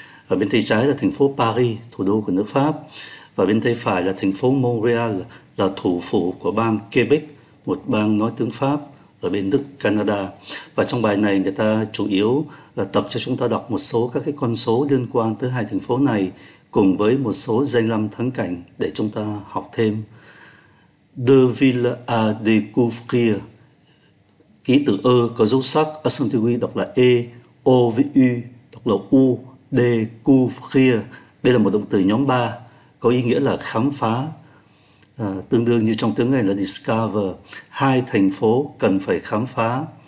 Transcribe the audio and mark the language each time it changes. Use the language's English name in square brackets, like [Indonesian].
[Vietnamese] Ở bên tay trái là thành phố Paris, thủ đô của nước Pháp. Và bên tay phải là thành phố Montreal, là thủ phủ của bang Quebec, một bang nói tiếng Pháp ở bên Đức, Canada. Và trong bài này người ta chủ yếu tập cho chúng ta đọc một số các cái con số liên quan tới hai thành phố này cùng với một số danh lam thắng cảnh để chúng ta học thêm. [French] Deux villes à découvrir. [Vietnamese] Ký tự E có dấu sắc, accentué đọc là E, O với U đọc là U, découvrir. Đây là một động từ nhóm 3 có ý nghĩa là khám phá. Tương đương như trong tiếng Anh là discover, hai thành phố cần phải khám phá.